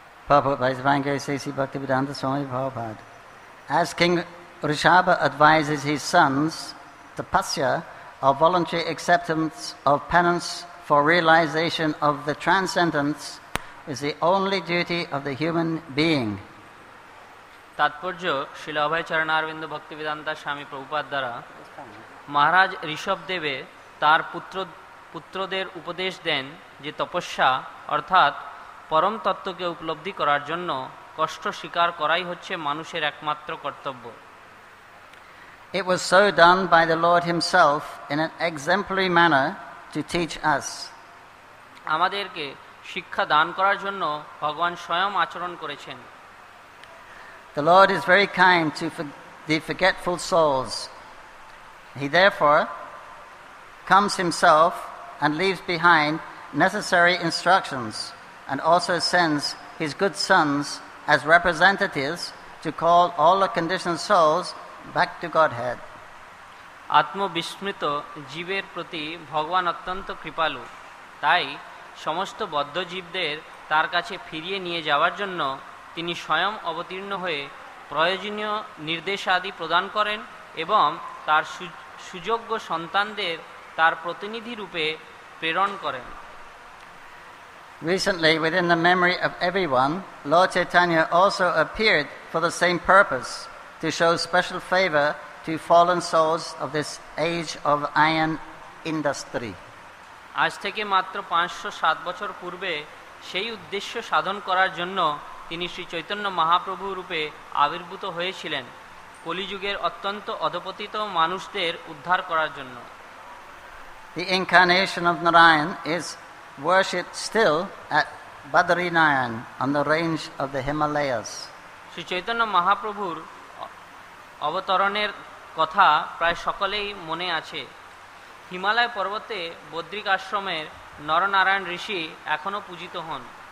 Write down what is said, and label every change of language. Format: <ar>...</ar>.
<en>Prabhupada is trying to say, Sri Bhaktivedanta Swami Prabhupada. As King Rishabha advises his sons, tapasya, or voluntary acceptance of penance for realization of the transcendence, is the only duty of the human being.</en> <bn>তাৎপর্য শিল অভয় চরণারবিন্দ ভক্তিবিদান্তা স্বামী প্রভুপাদ দ্বারা মহারাজ ঋষভ দেবে তার পুত্রদের উপদেশ দেন যে তপস্যা অর্থাৎ পরম তত্ত্বকে উপলব্ধি করার জন্য কষ্ট স্বীকার করাই হচ্ছে মানুষের একমাত্র কর্তব্য.</bn> <en>It was so done by the Lord himself in an exemplary manner to teach us.</en> <bn>আমাদেরকে শিক্ষা দান করার জন্য ভগবান স্বয়ং আচরণ করেছেন.</bn> <en>The Lord is very kind to the forgetful souls. He therefore comes himself and leaves behind necessary instructions and also sends his good sons as representatives to call all the conditioned souls back to Godhead.</en> <bn>আত্মবিস্মৃত জীবের প্রতি ভগবান অত্যন্ত কৃপালু, তাই সমস্ত বদ্ধ জীবদের তার কাছে ফিরিয়ে নিয়ে যাওয়ার জন্য তিনি স্বয়ং অবতীর্ণ হয়ে প্রয়োজনীয় নির্দেশাদি প্রদান করেন এবং তার সুযোগ্য সন্তানদের তার প্রতিনিধি রূপে প্রেরণ করেন.</bn> <en>Recently, within the memory of everyone, Lord Chaitanya also appeared for the same purpose, to show special favor to fallen souls of this age of iron industry.</en> <bn>আজ থেকে মাত্র 507 বছর পূর্বে সেই উদ্দেশ্য সাধন করার জন্য তিনি শ্রী চৈতন্য মহাপ্রভু রূপে আবির্ভূত হয়েছিলেন, কলিযুগের অত্যন্ত অধপতিত মানুষদের উদ্ধার করার জন্য.</bn> <en>The incarnation of Narayan is worshipped still at Badrinayan on the range of the Himalayas.</en> <bn>Shri Chaitanya মহাপ্রভুর অবতরণের কথা প্রায় সকলেই মনে আছে। হিমালয় পর্বতে বদ্রিক আশ্রমের নরনারায়ণ ঋষি এখনো পূজিত হন.</bn>